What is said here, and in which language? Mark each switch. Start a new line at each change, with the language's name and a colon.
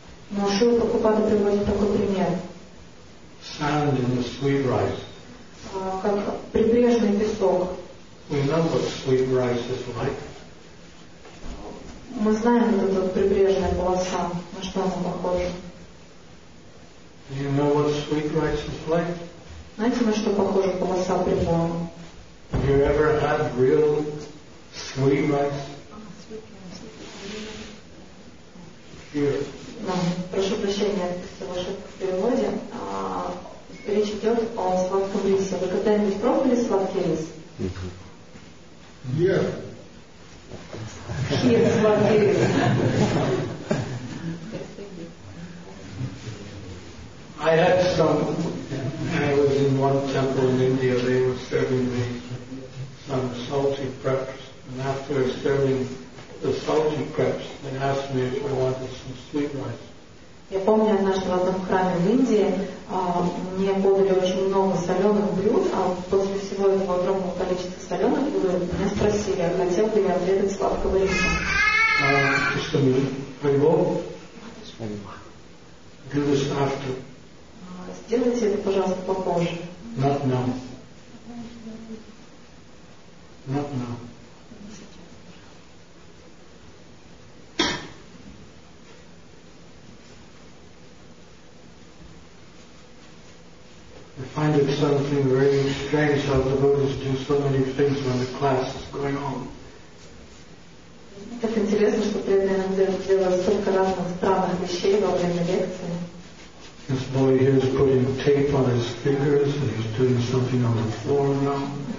Russian: Но Шрила Прабхупада приводит такой пример.
English: sand in the sweet rice.
Russian: Как прибрежный песок.
English: We know what sweet rice is like.
Russian: Мы знаем вот эту прибрежную полосу, на что она похожа.
English: Do you know what sweet rice is like?
Russian: Знаете, на что похожа полоса прибрежная?
English: Have you ever had real sweet rice?
Russian: Да, прошу прощения, это ваше в переводе. Речь идет о сладком рисе. Вы когда-нибудь пробовали сладкий рис? Нет. Кир, сладкий рис.
English: I had some, I was in one temple in India, they were serving me some salty crepes, and after serving the salty crepes, they asked me if I wanted some sweet rice.
Russian: Я помню, однажды в одном храме в Индии мне подали очень много соленых блюд, а после всего этого огромного количества соленых блюд меня спросили, а хотел бы я отведать сладкого риса.
English: Just a minute. Are you all? Do this after.
Russian: Сделайте это, пожалуйста, попозже.
English: Not now. Not now. I find it something very strange how the devotees do so many things when the class is going on.
Russian: Так интересно, что преданные делают столько разных странных вещей во время лекции.
English: This boy here is putting tape on his fingers and he's doing something on the floor now.